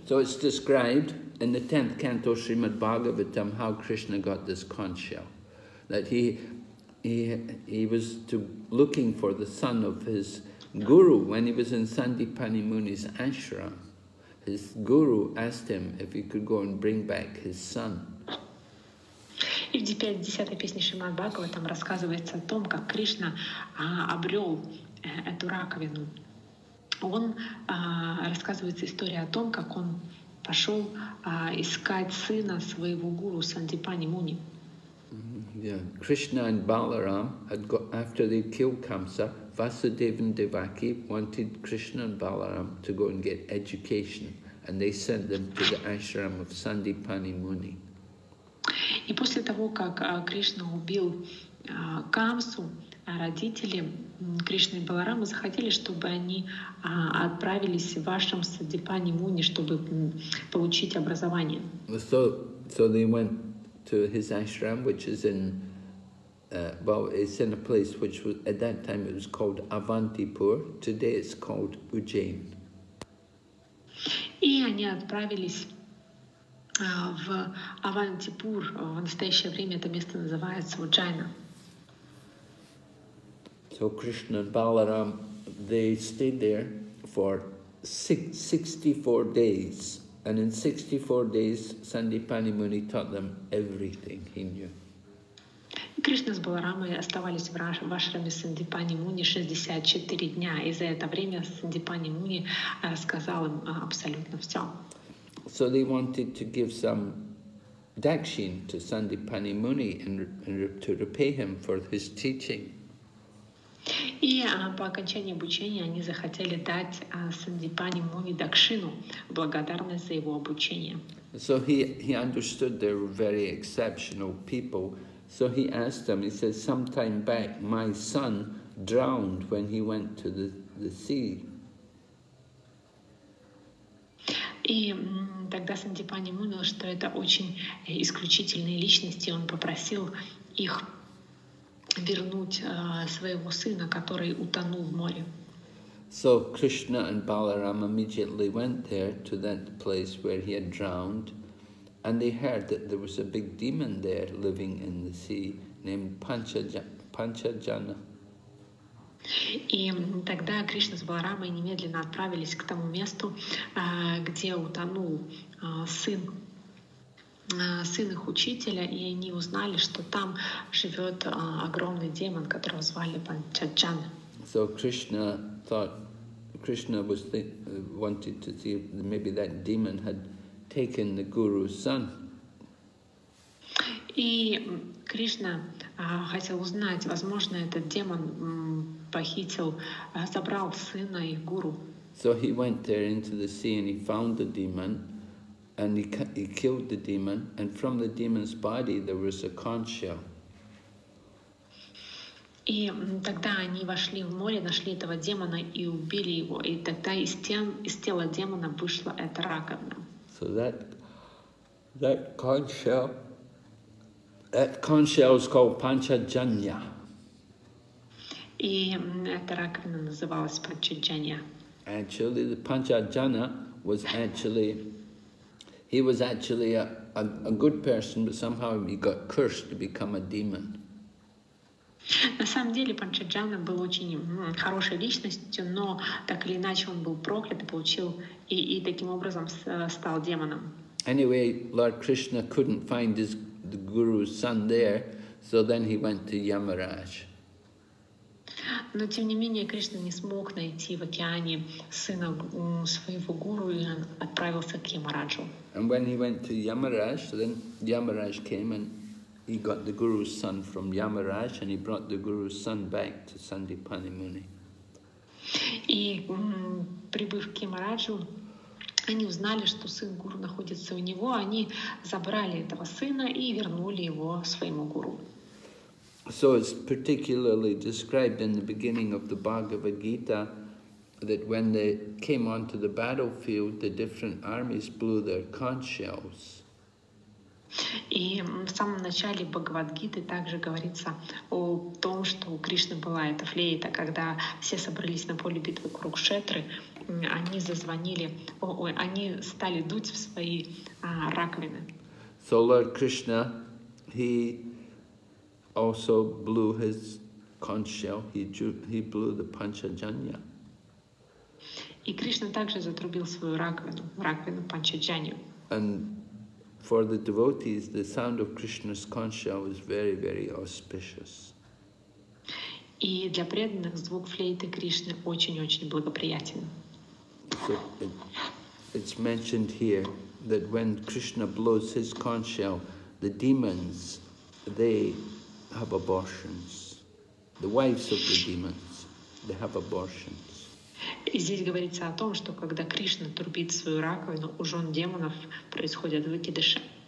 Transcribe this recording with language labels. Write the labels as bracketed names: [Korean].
[English] So it's described in the 10th canto Srimad Bhagavatam how Krishna got this conch shell, that he was looking for the son of his guru when he was in Sandipani Muni's ashram. His guru asked him if he could go and bring back his son. [Russian] И в 10-й песне Шримад Бхагаватам рассказывается о том, как Кришна обрел эту раковину. Он рассказывается история о том, как он пошел искать сына своего гуру Сандипани Муни. [English] Yeah, Krishna and Balaram had got after they killed Kamsa. Vasudev and Devaki wanted Krishna and Balaram to go and get education, and they sent them to the ashram of Sandipani Muni. [Russian] И после того, как Кришна убил Камсу, родители Кришны и Баларамы захотели, чтобы они отправились в ашрам Сандипани Муни, чтобы получить образование. [English] So they went to his ashram, which is in it's in a place which was, at that time it was called Avantipur. Today it's called Ujjain. [Russian] И они отправились в Авантипур. В настоящее время это место называется Ujjaina. [English] So Krishna and Balaram, they stayed there for 64 days. And in 64 days, Sandipani Muni taught them everything he knew. [Russian] Кришна с Баларамой оставались в ашраме Сандипани Муни 64 дня. И за это время Сандипани Муни рассказал им абсолютно все. [English] So they wanted to give some dakshin to Sandipani Muni and to repay him for his teaching. [Russian] И по окончании обучения они захотели дать Сандипани Муни дакшину, благодарность за его обучение. [English] So he understood they were very exceptional people. So he asked them, he said, some time back my son drowned when he went to the sea. [Russian] И тогда Сандипани понял, что это очень исключительные личности, он попросил их вернуть своего сына, который утонул в море. [English] So Krishna and Balaram immediately went there to that place where he had drowned, and they heard that there was a big demon there living in the sea named Panchajana. [Russian] И тогда Кришна с Баларамой немедленно отправились к тому месту, где утонул сын их учителя, и они узнали, что там живет огромный демон, которого звали Панчаджана. [English] So Krishna thought, Krishna was wanted to see maybe that demon had taken the guru's son. [Russian] И Кришна хотел узнать, возможно, этот демон похитил, забрал сына и гуру. [English] So he went there into the sea and he found the demon, and he killed the demon, and from the demon's body there was a conch shell. [Russian] И тогда они вошли в море, нашли этого демона и убили его. И тогда из тела демона вышла эта раковина. [English] So that conch shell is called Panchajanya. [Russian] И эта раковина называлась Панчаджанья. [English] Actually, the Panchajana was actually, he was actually a good person, but somehow he got cursed to become a demon. [Russian] На самом деле Панчаджана был очень хорошей личностью, но так или иначе он был проклят и получил и таким образом стал демоном. [English] Anyway, Lord Krishna couldn't find his guru's son there, so then he went to Yamaraj. [Russian] Но тем не менее Кришна не смог найти в океане сына своего гуру и он отправился к Ямараджу. [English] And when he went to Yamaraj, then Yamaraj came and he got the guru's son from Yamaraj and he brought the guru's son back to Sandipani Muni. [Russian] И прибыв к Ямараджу, Они узнали, что сын гуру находится у него, они забрали этого сына и вернули его своему гуру. [English] So it's particularly described in the beginning of the Bhagavad Gita that when they came onto the battlefield, the different armies blew their conch shells. [Russian] И в самом начале Бхагавад-гиты также говорится о том, что у Кришны была эта флейта, когда все собрались на поле битвы Курукшетры, они зазвонили, они стали дуть в свои раковины. [English] So Lord Krishna, he also blew his conch shell, he blew the Panchajanya. [Russian] И Кришна также затрубил свою раковину, раковину Панчаджанью. [English] For the devotees, the sound of Krishna's conch shell is very, very auspicious. [Russian] И для преданных звук флейты Кришны очень-очень благоприятен. [English] So it's mentioned here that when Krishna blows his conch shell, the demons, they have abortions. The wives of the demons, they have abortions. [Russian] И здесь говорится о том, что когда Кришна трубит свою раковину, у жен демонов происходят выкидыши.